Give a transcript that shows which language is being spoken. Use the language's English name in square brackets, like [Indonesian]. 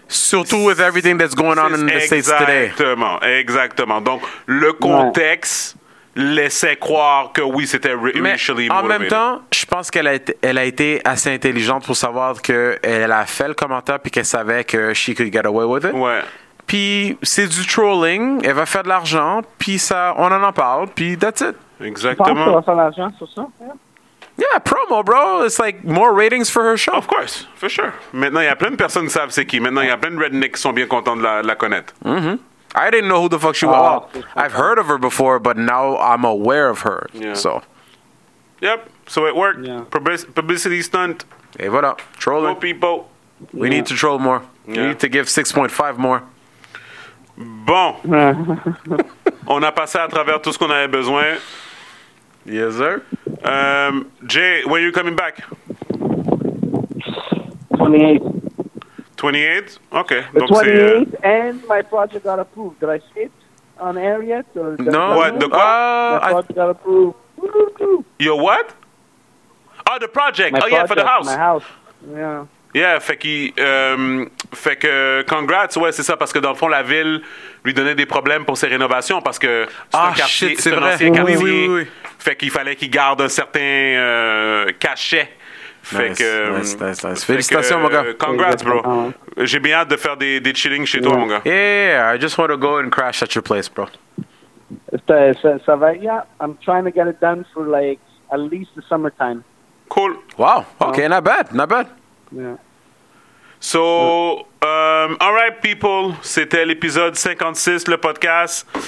[French] surtout [English] with everything that's going on in the States today. [French] Exactement, exactement. Donc, le contexte laissait croire que oui, c'était [English] racially [French] motivé. En même temps, je pense qu'elle a été, assez intelligente pour savoir qu'elle a fait le commentaire puis qu'elle savait que [English] she could get away with it. [French] Ouais. Puis c'est du trolling, elle va faire de l'argent, puis ça, on en parle, puis [English] that's it. [French] Exactement. Tu penses qu'elle va faire de l'argent sur ça? [English] Yeah, promo, bro. It's like more ratings for her show. Of course, for sure. [French] Maintenant, il y a plein de personnes qui savent c'est qui. Maintenant, il y a plein de rednecks qui sont bien contents de la connaître. Mm-hmm. [English] I didn't know who the fuck she was. I've heard of her before, but now I'm aware of her. Yeah. So. Yep. So it worked. Yeah. Publicity stunt. Hey, what up? Trolling. Troll people. We need to troll more. Yeah. We need to give 6.5 more. [French] Bon. On a passé à travers tout ce qu'on avait besoin. [English] Yes, sir. Jay, when are you coming back? 28. 28? Okay. The [French] Donc 28 c'est, [English] and my project got approved. Did I say it on air yet? Or no. What? The My project got approved. Your what? Oh, the project. My oh, project, yeah, for the house. My house. Yeah. [French] Yeah, fait, fait que [English] congrats. [French] Ouais, c'est ça. Parce que dans le fond, la ville lui donnait des problèmes pour ses rénovations. Parce que c'est un quartier. [English] Shit, [French] c'est vrai. Ancien quartier. Oui, oui, oui. Fait qu'il fallait qu'il garde un certain cachet. Nice. Félicitations, mon gars. [English] Congrats, bro. [French] J'ai bien hâte de faire des chillings chez toi, mon gars. [English] Yeah, I just want to go and crash at your place, bro. [French] Ça va, [English] I'm trying to get it done for, like, at least the summertime. Cool. Wow. Okay, not bad, not bad. Yeah. So, all right, people. [French] C'était l'épisode 56, le podcast.